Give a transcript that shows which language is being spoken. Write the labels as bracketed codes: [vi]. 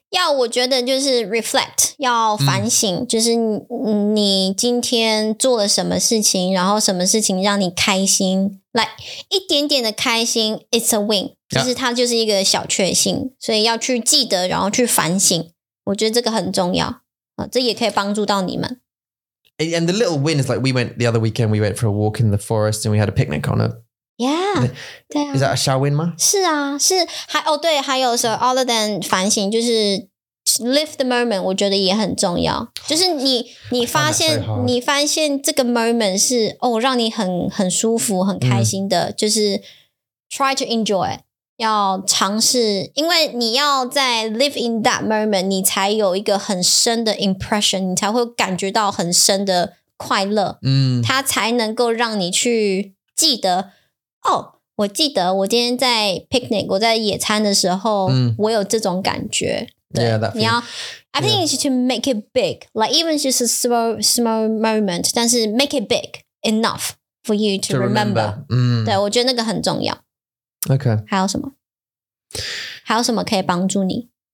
[zh] 要我觉得就是 reflect, 要反省，就是你今天做了什么事情，然后什么事情让你开心。 Like 一点点的开心, [en] it's a win. [zh] 就是它就是一个小确幸，所以要去记得，然后去反省。我觉得这个很重要，这也可以帮助到你们。 [en] And the little win is like we went the other weekend, we went for a walk in the forest and we had a picnic on it. Yeah. Is that a shall win, ma? [zh] 是啊,是,还,哦,对,还有, [en] so other than [zh] 反省, 就是 [en] live the moment [zh] 我觉得也很重要。就是你发现、 [en] so、 [zh] 你发现这个 moment 是哦让你很舒服很开心的、mm. 就是 [en] try to enjoy, [zh] 要尝试因为你要在 [en] live in that moment, [zh] 你才有一个很深的 impression, 你才会感觉到很深的快乐嗯、mm. 它才能够让你去记得哦我记得我今天在 picnic, 我在野餐的时候、 mm. 我有这种感觉。对 yeah, [en] that feels, 你要 I think、yeah. it's to make it big, like even just a small moment, [zh] 但是 [en] make it big enough for you to remember.、 Mm. [zh] 对我觉得那个很重要。 [en] Okay. [zh] 还有什么还有什么可以帮助你、